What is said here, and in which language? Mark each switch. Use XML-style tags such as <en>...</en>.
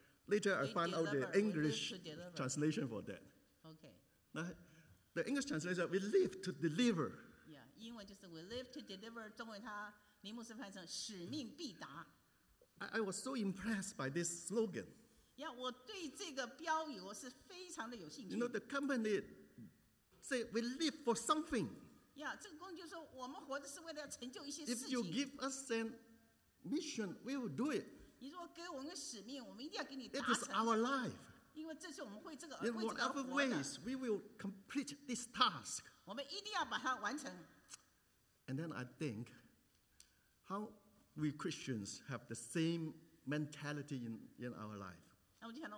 <en>Later, I found out the English translation for that. Okay. Now, the English translation is, we live to deliver. Yeah,</en> <zh>英文就是</zh> <en>we live to deliver.</en> <zh>中文它林牧师翻译成使命必达.</zh> <en>I was so impressed by this slogan.</en> <zh>Yeah, 我对这个标语我是非常的有兴趣.</zh> <en>You know, the company say we live for something.</en> <zh>Yeah, 这个公司就说我们活着是为了成就一些事情.</zh> <en>If you give us a mission, we will do it. It is our life. In whatever ways, we will complete this task. And then I think, how we Christians have the same mentality in our life.</en>